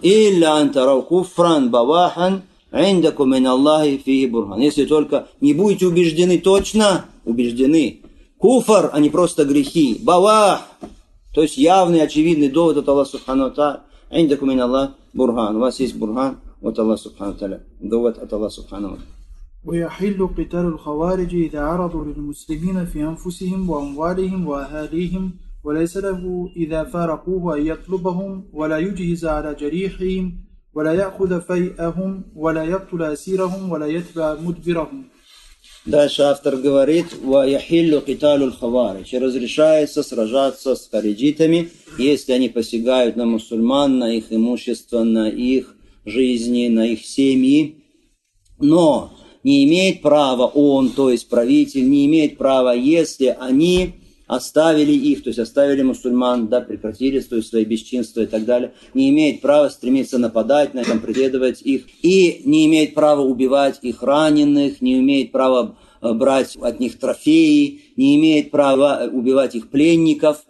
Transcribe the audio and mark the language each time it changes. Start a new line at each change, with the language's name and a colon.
Arabic: «Илля антарау куфран бавахан индаку мин Аллахи фихи бурхан».
Russian: Если только не будете убеждены, точно убеждены. Куфар, а не просто грехи. Бавах. То есть явный, очевидный довод от Аллаха Субхану Та'аля.
Arabic: «Индаку мин Аллахи бурхан».
Russian: У вас есть бурхан от Аллаха Субхану Та'аля. Довод от Аллаха Субхану Та'аля.
Arabic: ويحل قتال الخوارج إذا عرضوا للمسلمين في أنفسهم وأموالهم وأهاليهم وليس له إذا فارقوه أن يطلبهم ولا يجهز على جريحهم ولا يأخذ فيئهم ولا يقتل أسيرهم ولا يتبع مدبرهم.
Russian: Дальше автор говорит:
Arabic: ويحل قتال الخوارج.
Russian: Разрешается сражаться с хариджитами, если они посягают на мусульман, на их имущество, на их жизни, на их семьи. Но не имеет права он, то есть правитель, не имеет права, если они оставили их, то есть оставили мусульман, да, прекратили свои бесчинства и так далее, не имеет права стремиться нападать на этом, преследовать их, и не имеет права убивать их раненых, не имеет права брать от них трофеи, не имеет права убивать их пленников.